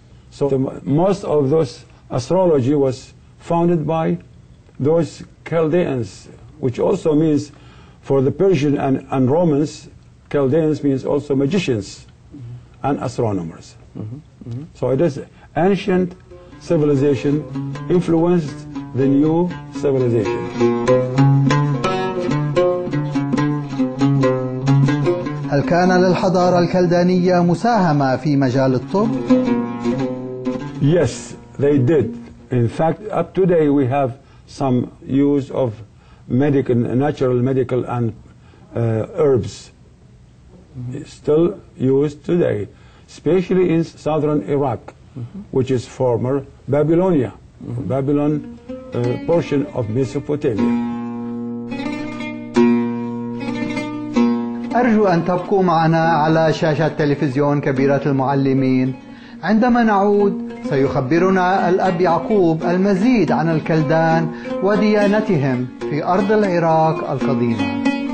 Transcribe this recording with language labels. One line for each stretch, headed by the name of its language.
English: So most of those astrology was founded by those Chaldeans, which also means for the Persian and Romans, Chaldeans means also magicians and astronomers. So it is ancient civilization influenced the new civilization.
Arabic: هل كان للحضارة الكلدانية مساهمة في مجال الطب؟
English: Yes, they did. In fact, up today we have some use of medical, natural medical and herbs still used today, especially in southern Iraq. which is former Babylonia, Babylon portion of Mesopotamia.
Arabic: أرجو أن تبقوا معنا على شاشات تلفزيون كبيرة المعلمين. عندما نعود سيخبرنا الأب يعقوب المزيد عن الكلدان وديانتهم في أرض العراق القديمة.